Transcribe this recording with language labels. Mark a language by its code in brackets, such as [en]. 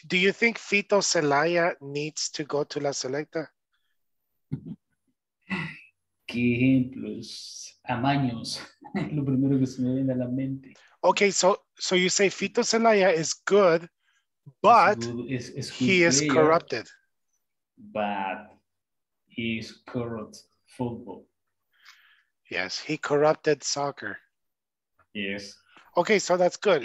[en] Do you think Fito Celaya needs to go to La Selecta? [es] Qué ejemplos, amaños, lo primero que se me viene a la mente. [en] Okay, so you say Fito Celaya is good, but he is corrupted. But he is corrupt football. Yes, he corrupted soccer. Yes. Okay, so that's good.